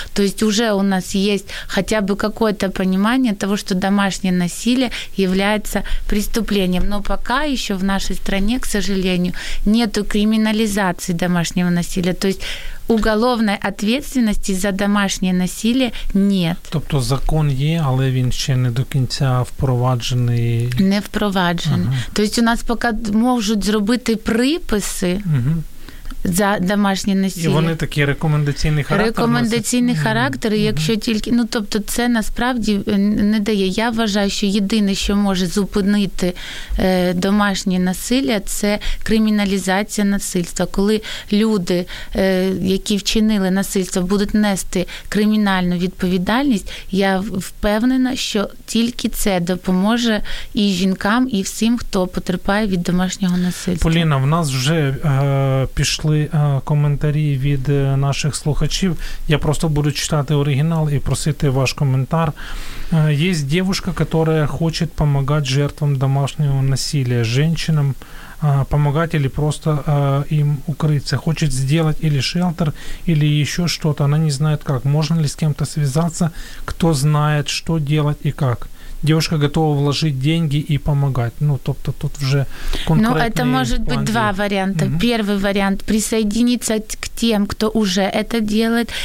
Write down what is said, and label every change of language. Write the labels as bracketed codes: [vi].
[ru] То есть уже у нас есть хотя бы какое-то понимание того, что домашнее насилие является преступлением. Но пока еще в нашей стране, к сожалению, нету криминализации домашнего насилия. То есть уголовной ответственности за домашнее насилие нет. То есть закон есть, [uk] але він ще не до кінця впроваджений. Не впроваджений. Ага. То есть у нас пока можуть зробити приписи. за домашнє насилля. І вони такі рекомендаційний характер. Рекомендаційний характер, якщо тільки, ну, тобто це насправді не дає. Я вважаю, що єдине, що може зупинити домашнє насилля, це криміналізація насильства. Коли люди, які вчинили насильство, будуть нести кримінальну відповідальність, я впевнена, що тільки це допоможе і жінкам, і всім, хто потерпає від домашнього насильства. Поліна, в нас вже пішли коментарі від наших слухачів. Я просто буду читати оригінал і просити ваш коментар. Є дівчина, яка хоче допомагати жертвам домашнього насилля, жінкам, помогать или просто им укрыться. [ru] Хочет сделать или шелтер, или еще что-то. Она не знает, как. Можно ли с кем-то связаться, кто знает, что делать и как. Девушка готова вложить деньги и помогать. Ну, тобто, тут уже конкретный. Ну, это может план быть два варианта. Mm-hmm. Первый вариант – присоединиться к тем, кто уже это делает.